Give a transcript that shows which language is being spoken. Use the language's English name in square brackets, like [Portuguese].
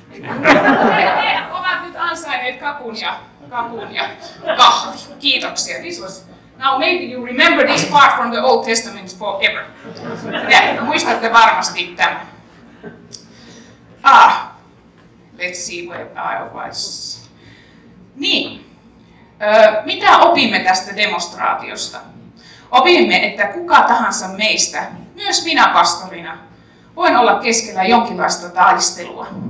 [Finnish] He ovat nyt ansainneet kakun ja kahvi. Kiitoksia. [English] This was. Now maybe you remember this part from the Old Testament forever. [Finnish] Ja muistatte varmasti tämän. [English] Let's see where I was. Niin. [Finnish] Mitä opimme tästä demonstraatiosta? Opimme, että kuka tahansa meistä, myös minä pastorina, voin olla keskellä jonkinlaista taistelua.